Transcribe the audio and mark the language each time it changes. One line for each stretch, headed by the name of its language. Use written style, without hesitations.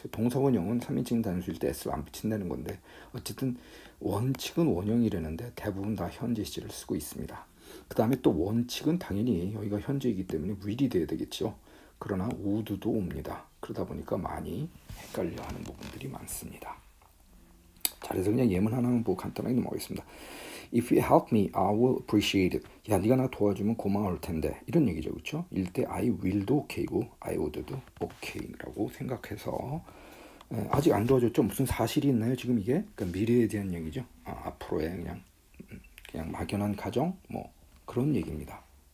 Korean: 동사 원형은 3인칭 단수일 때 S를 안 붙인다는 건데 어쨌든 원칙은 원형이라는데 대부분 다 현재 시제를 쓰고 있습니다. 그 다음에 또 원칙은 당연히 여기가 현재이기 때문에 will이 돼야 되겠죠. 그러나 우드도 옵니다. 그러다 보니까 많이 헷갈려하는 부분들이 많습니다. 자, 그래서 그냥 예문 하나만 보고 간단하게 넘어가겠습니다.
English: If you help me, I will appreciate it.
Korean: 야, 네가 나 도와주면 고마울 텐데. 이런 얘기죠, 그렇죠? 일때 I will도 OK고 I would도 OK라고 생각해서 아직 안 도와줬죠? 무슨 사실이 있나요, 지금 이게? 그러니까 미래에 대한 얘기죠. 아, 앞으로의 그냥 막연한 가정, 뭐 그런 얘기입니다.